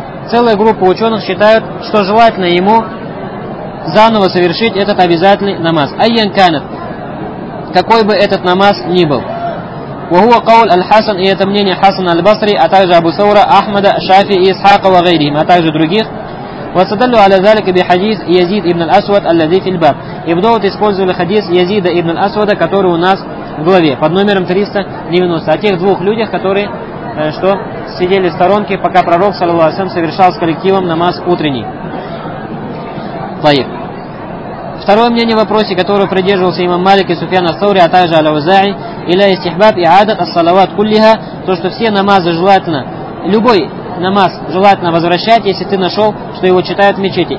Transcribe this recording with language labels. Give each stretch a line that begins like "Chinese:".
Russian: Целая группа ученых считают, что желательно ему заново совершить этот обязательный намаз. Айян Канет. Какой бы этот намаз ни был.
Arabic: وهو قول الحسن
Russian: и это мнение Хасан аль-Басри, а также Абу Саура, Ахмада, Шафи и Исхака ва гайрихим, а также других.
Arabic: واستدلوا على ذلك بحديث يزيد ابن الأسود الذي في الباب.
Russian: И в довод использовали хадис Язида ибн аль-Асвада, который у нас в главе под номером 390. О тех двух людях, которые что сидели в сторонке, пока пророк саллаллаху алейхи ва саллям совершал с коллективом намаз утренний.
Arabic: طيب.
Russian: Второе мнение в вопросе, которое придерживался имам Малик и Суфьян ас-Саури, а также Аль-Аузаи,
Arabic: иля истихбаб и адат ас-салават куллиха,
Russian: то, что все намазы желательно, любой намаз желательно возвращать, если ты нашел, что его читают в мечети.